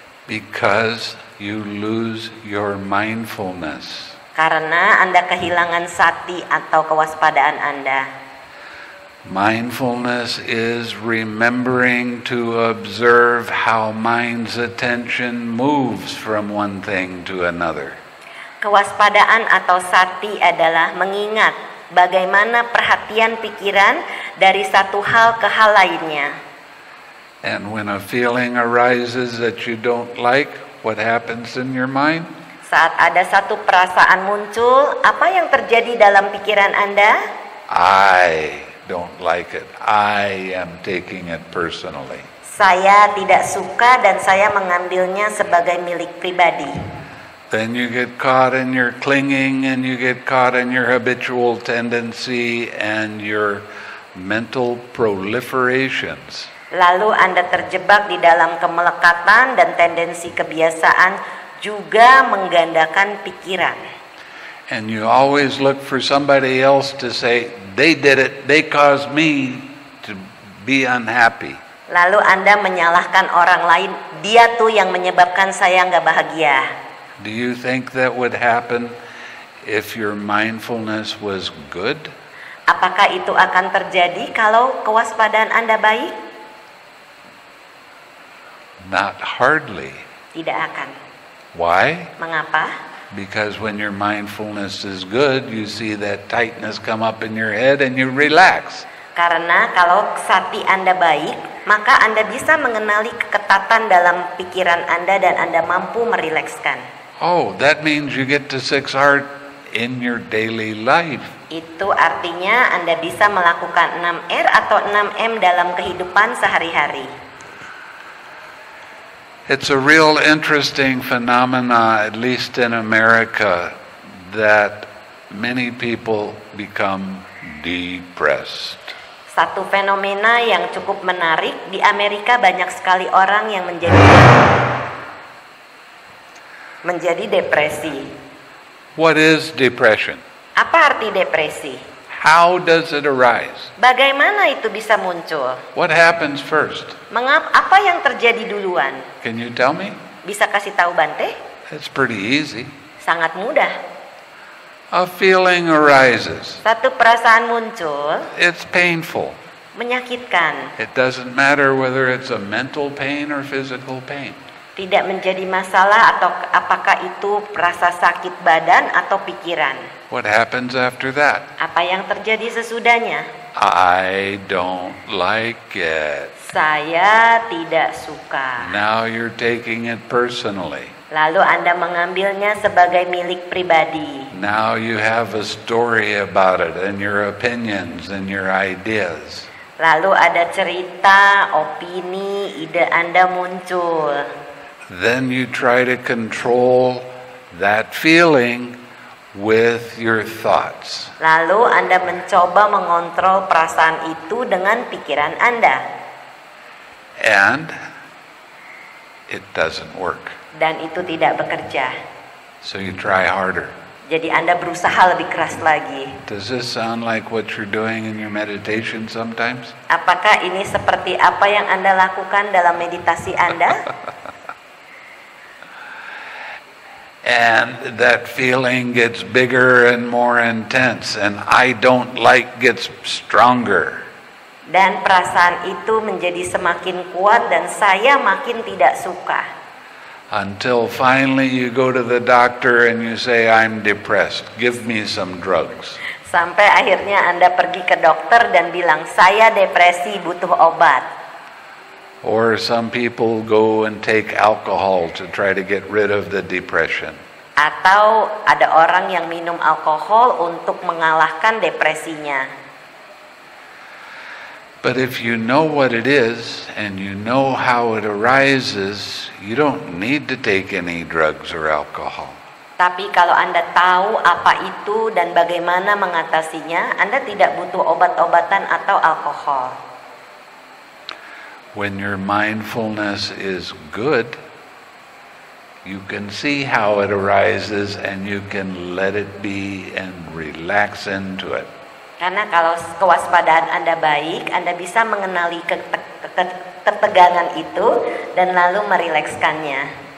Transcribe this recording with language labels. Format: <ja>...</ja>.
<en>Because you lose your mindfulness.</en> <id>Karena Anda kehilangan sati atau kewaspadaan Anda.</id> <en>Mindfulness is remembering to observe how mind's attention moves from one thing to another.</en> <id>Kewaspadaan atau sati adalah mengingat bagaimana perhatian pikiran dari satu hal ke hal lainnya.</id> <en>And when a feeling arises that you don't like, what happens in your mind?</en> <id>Saat ada satu perasaan muncul, apa yang terjadi dalam pikiran Anda?</id> <en>I don't like it. I am taking it personally.</en> <id>Saya tidak suka dan saya mengambilnya sebagai milik pribadi.</id> <en>Then you get caught in your clinging and you get caught in your habitual tendency and your mental proliferations.</en> <id>Lalu Anda terjebak di dalam kemelekatan dan tendensi kebiasaan juga menggandakan pikiran.</id> <en>And you always look for somebody else to say, they did it, they caused me. be unhappy.</en> <id>Lalu Anda menyalahkan orang lain, dia tuh yang menyebabkan saya enggak bahagia.</id> <en>Do you think that would happen if your mindfulness was good?</en> <id>Apakah itu akan terjadi kalau kewaspadaan Anda baik?</id> <en>Not hardly.</en> <id>Tidak akan.</id> <en>Why?</en> <id>Mengapa?</id> <en>Because when your mindfulness is good, you see that tightness come up in your head and you relax.</en> <id>Karena kalau sati Anda baik, maka Anda bisa mengenali keketatan dalam pikiran Anda dan Anda mampu merilekskan.</id> <en>Oh, that means you get to six heart in your daily life.</en> <id>Itu artinya Anda bisa melakukan 6R atau 6M dalam kehidupan sehari-hari.</id> <en>It's a real interesting phenomena, at least in America, that many people become depressed.</en> <id>Satu fenomena yang cukup menarik, di Amerika banyak sekali orang yang menjadi depresi.</id> <en>What is depression?</en> <id>Apa arti depresi?</id> <en>How does it arise?</en> <id>Bagaimana itu bisa muncul?</id> <en>What happens first?</en> <id>Apa yang terjadi duluan?</id> <en>Can you tell me?</en> <id>Bisa kasih tahu Bante?</id> <en>It's pretty easy.</en> <id>Sangat mudah.</id> <en>A feeling arises.</en> <id>Satu perasaan muncul.</id> <en>It's painful.</en> <id>Menyakitkan.</id> <en>It doesn't matter whether it's a mental pain or physical pain.</en> <id>Tidak menjadi masalah atau apakah itu rasa sakit badan atau pikiran.</id> <en>What happens after that?</en> <id>Apa yang terjadi sesudahnya?</id> <en>I don't like it.</en> <id>Saya tidak suka.</id> <en>Now you're taking it personally.</en> <id>Lalu Anda mengambilnya sebagai milik pribadi.</id> <en>Now you have a story about it and your opinions and your ideas.</en> <id>Lalu ada cerita, opini, ide Anda muncul.</id> <en>Then you try to control that feeling with your thoughts.</en> <id>Lalu Anda mencoba mengontrol perasaan itu dengan pikiran Anda.</id> <en>And it doesn't work.</en> <id>Dan itu tidak bekerja.</id> <en>So you try harder.</en> <id>Jadi Anda berusaha lebih keras lagi.</id> <en>Does this sound like what you're doing in your meditation sometimes?</en> <id>Apakah ini seperti apa yang Anda lakukan dalam meditasi Anda?</id> <en>And that feeling gets bigger and more intense, and I don't like gets stronger.</en> <id>Dan perasaan itu menjadi semakin kuat dan saya makin tidak suka.</id> <en>Until finally you go to the doctor and you say, I'm depressed, give me some drugs.</en> <id>Sampai akhirnya Anda pergi ke dokter dan bilang, saya depresi, butuh obat.</id> <en>Or some people go and take alcohol to try to get rid of the depression.</en> <id>Atau ada orang yang minum alkohol untuk mengalahkan depresinya.</id> <en>But if you know what it is and you know how it arises, you don't need to take any drugs or alcohol.</en> <id>Tapi kalau Anda tahu apa itu dan bagaimana mengatasinya, Anda tidak butuh obat-obatan atau alkohol.</id> <en>When your mindfulness is good, you can see how it arises and you can let it be and relax into it.</en> <id>Karena kalau kewaspadaan Anda baik, Anda bisa mengenali ketegangan itu dan lalu merilekskannya.</id>